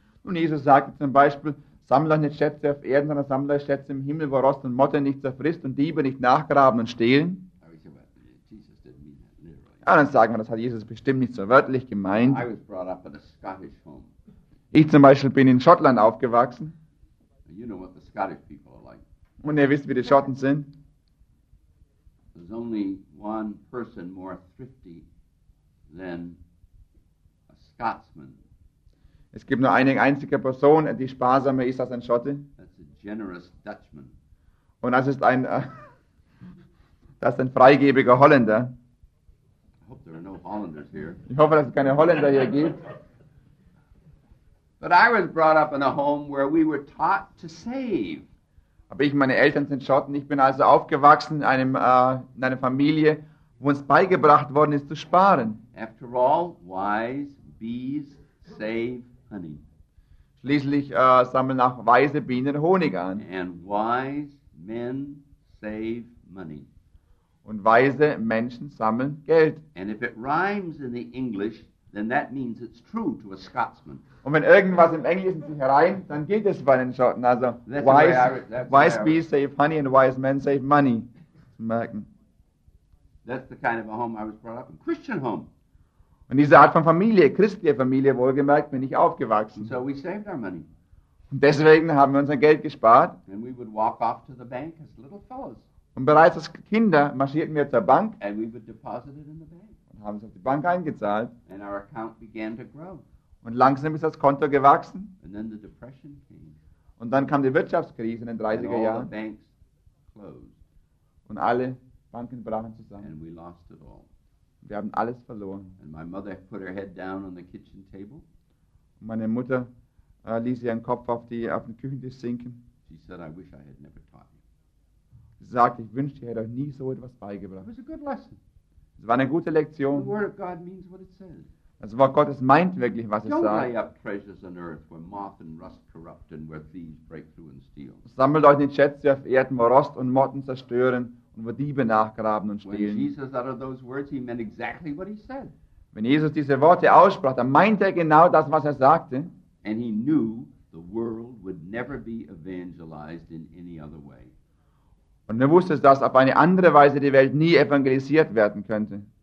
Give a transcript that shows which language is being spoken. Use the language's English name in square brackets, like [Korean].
[German] Und Jesus sagte zum Beispiel, sammle nicht Schätze auf Erden, sondern sammle Schätze im Himmel, wo Rost und Motte nicht zerfrisst und Diebe nicht nachgraben und stehlen. [English] Jesus didn't mean that literally. [German] Ja, dann sagen wir, das hat Jesus bestimmt nicht so wörtlich gemeint. [English] I was brought up in a Scottish home. [German] Ich zum Beispiel bin in Schottland aufgewachsen. [English] You know what the Scottish people are like. [German] Und ihr wisst, wie die Schotten sind. [English] There's only one person more thrifty than a Scotsman. [German] Es gibt nur eine einzige Person, die sparsamer ist als ein Schotte. [English] That's a generous Dutchman. [German] Und das ist ein das ist ein freigebiger Holländer. [English] I hope there are no Hollanders here. [German] Ich hoffe, dass es keine Holländer hier gibt. [English] But I was brought up in a home where we were taught to save. [German] Aber ich, meine Eltern sind Schotten. Ich bin also aufgewachsen in, in einer Familie, wo uns beigebracht worden ist, zu sparen. [English] After all, wise bees save honey. [German] Schließlich sammeln auch weise Bienen Honig an. [English] And wise men save money. [German] Und weise Menschen sammeln Geld. [English] And if it rhymes in the English, then that means it's true to a Scotsman. [German] Und wenn irgendwas im Englischen sich reimt, dann gilt es bei den Schotten. [English] Also, wise bees save honey and wise men save money. [German] Merken. [English] That's the kind of a home I was brought up in. Christian home. [German] Und diese Art von Familie, christliche Familie, wohlgemerkt, bin ich aufgewachsen. [English] And so we saved our money. [German] Und deswegen haben wir unser Geld gespart. [English] And we would walk off to the bank as little fellows. [German] Und bereits als Kinder marschierten wir zur Bank. [English] And we would deposit it in the bank. [German] Haben sie auf die Bank eingezahlt. [English] And our account began to grow. [German] Und langsam ist das Konto gewachsen. [English] And then the depression came. [German] Und dann kam die Wirtschaftskrise in den 30er Jahren. [English] And all the banks closed. [German] Und alle Banken brachen zusammen. [English] And we lost it all. [German] Wir haben alles verloren. [English] And my mother put her head down on the kitchen table. [German] Und meine Mutter ließ ihren Kopf auf den Küchentisch sinken. [English] She said, I wish I had never taught you. [German] Sie sagte, ich wünschte, ich hätte euch nie so etwas beigebracht. [English] It was a good lesson. [German] Es war eine gute Lektion. [English] The word of God means what it says. [German] Das Wort Gottes meint wirklich, was [English] don't [German] es sagt. [English] Don't lay up treasures on earth, where moth and rust corrupt, and where thieves break through and steal. [German] Sammelt euch nicht Schätze auf Erden, wo Rost und Motten zerstören und wo Diebe nachgraben und stehlen. [English] When Jesus uttered those words, he meant exactly what he said. [German] Wenn Jesus diese Worte aussprach, dann meinte er genau das, was er sagte. [English] And he knew the world would never be evangelized in any other way. [German] Und er wusste, dass auf eine andere Weise die Welt nie evangelisiert werden könnte.